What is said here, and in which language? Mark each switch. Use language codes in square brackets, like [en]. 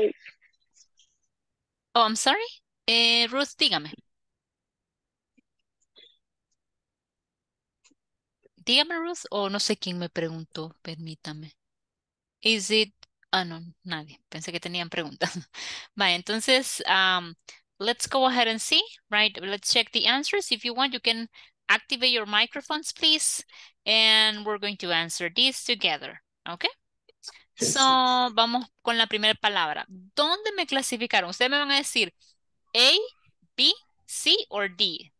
[en] What did you say? Oh, I'm sorry. [es] Ruth, dígame. Dígame, Ruth, o no sé quién me preguntó, permítame. [en] Is it... [es] Ah, no, nadie. Pensé que tenían preguntas. Vale, entonces, [en] let's go ahead and see, right? Let's check the answers. If you want, you can activate your microphones, please. And we're going to answer these together, okay? [es] So, vamos con la primera palabra. ¿Dónde me clasificaron? Ustedes me van a decir A, B, C, [en] or D.